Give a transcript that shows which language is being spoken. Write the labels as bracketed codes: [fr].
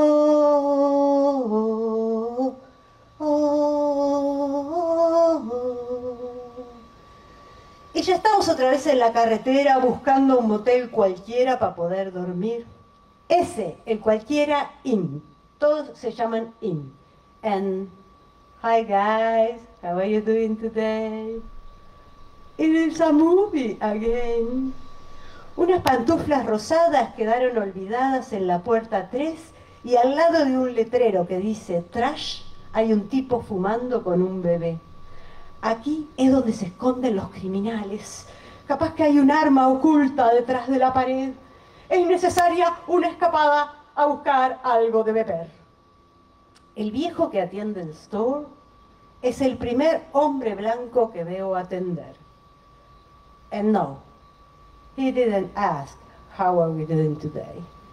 [es] Oh, oh, oh, oh, oh. Y ya estamos otra vez en la carretera buscando un motel cualquiera para poder dormir. Ese, el cualquiera, in. Todos se llaman in. [en] And, hi guys, how are you doing today? It is a movie again. [es] Unas pantuflas rosadas quedaron olvidadas en la puerta 3 y al lado de un letrero que dice trash hay un tipo fumando con un bebé. Aquí es donde se esconden los criminales. Capaz que hay un arma oculta detrás de la pared. Es necesaria una escapada a buscar algo de beber. El viejo que atiende el store es el primer hombre blanco que veo atender. [en] And no, he didn't ask, how are we doing today?